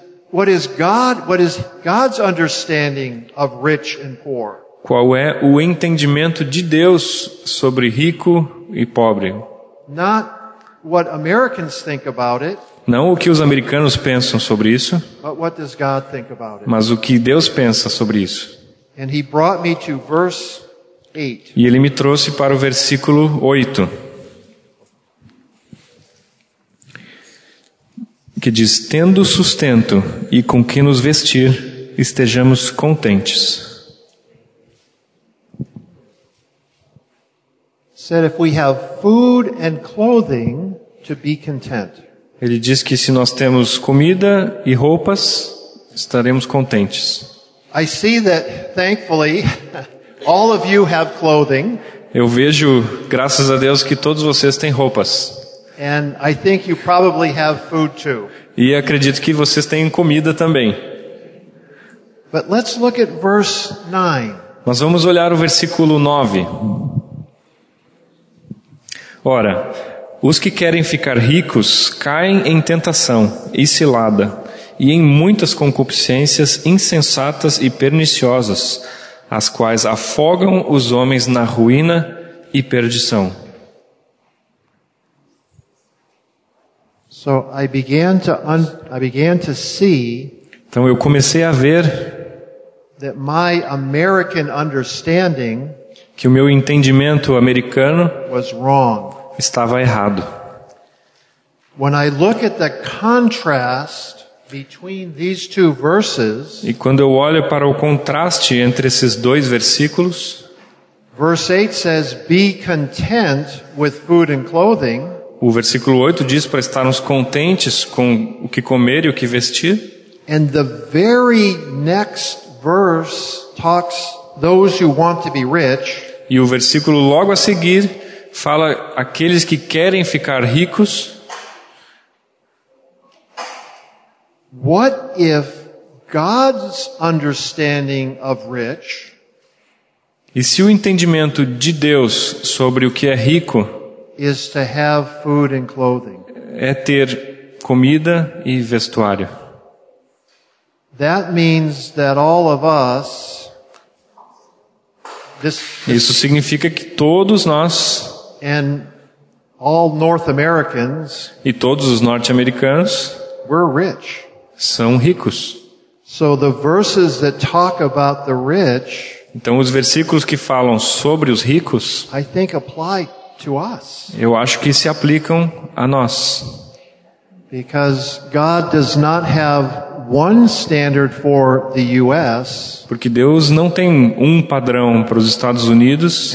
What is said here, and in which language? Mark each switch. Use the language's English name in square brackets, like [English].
[English] What is God's understanding of rich and poor? [Portuguese] Qual é o entendimento de Deus sobre rico e pobre? [English] Not what Americans think about it. [Portuguese] Não o que os americanos pensam sobre isso. [English] But what does God think about it? [Portuguese] Mas o que Deus pensa sobre isso? [English] And he brought me to verse 8. [Portuguese] E ele me trouxe para o versículo 8. Que diz, tendo sustento e com que nos vestir, estejamos contentes. [English] Said if we have food and clothing to be content. [Portuguese] Ele diz que se nós temos comida e roupas, estaremos contentes. [English] I see that, thankfully, all of you have clothing. [Portuguese] Eu vejo, graças a Deus, que todos vocês têm roupas. [English] And I think you probably have food too. [Portuguese] E acredito que vocês têm comida também. [English] But let's look at verse 9. [Portuguese] Mas vamos olhar o versículo 9. Ora, os que querem ficar ricos caem em tentação e cilada, e em muitas concupiscências insensatas e perniciosas, as quais afogam os homens na ruína e perdição. [English] So I began to see [Portuguese] então eu comecei a ver [English] that my American understanding [Portuguese] que o meu entendimento americano [English] was wrong. [Portuguese] Estava errado. [English] When I look at the contrast between these two verses, [Portuguese] e quando eu olho para o contraste entre esses dois versículos, [English] verse 8 says, "Be content with food and clothing." [Portuguese] O versículo 8 diz para estarmos contentes com o que comer e o que vestir. [English] And the very next verse talks those who want to be rich. [Portuguese] E o versículo logo a seguir fala aqueles que querem ficar ricos. [English] What if God's understanding of rich? [Portuguese] E se o entendimento de Deus sobre o que é rico [English] is to have food and clothing. [Portuguese] É ter comida e vestuário. [English] That means that all of us, [Portuguese] isso significa que todos nós [English] and all North Americans, [Portuguese] e todos os norte-americanos, [English] we're rich. [Portuguese] São ricos. [English] So the verses that talk about the rich, [Portuguese] então os versículos que falam sobre os ricos, [English] I think apply to us. [Portuguese] Eu acho que se aplicam a nós. [English] Because God does not have one standard for the US, [Portuguese] porque Deus não tem um padrão para os Estados Unidos